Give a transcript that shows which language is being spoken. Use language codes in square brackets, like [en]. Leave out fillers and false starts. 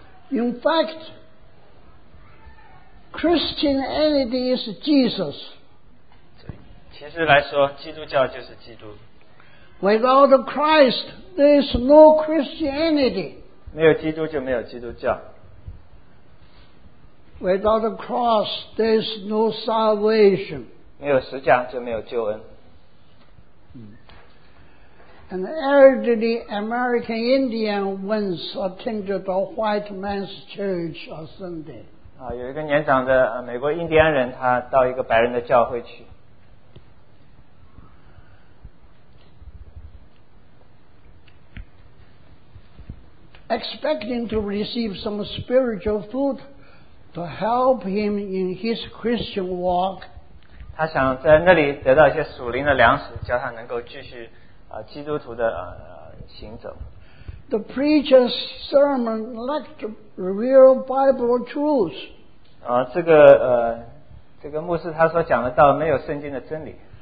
[en] In fact, Christianity is Jesus. [zh] 其实来说，基督教就是基督。 [en] Without Christ, there is no Christianity. [zh] 没有基督就没有基督教。 [en] Without the cross, there is no salvation. [zh] 没有十架就没有救恩。 [en] An elderly American Indian once attended a white man's church on Sunday. [zh] 有一个年长的美国印第安人，他到一个白人的教会去。 [en] Expecting to receive some spiritual food to help him in his Christian walk. [zh] 他想在那里得到一些属灵的粮食，叫他能够继续基督徒的行走。 [en] The preacher's sermon lacked real Bible truth. [zh] 这个牧师他所讲的道没有圣经的真理。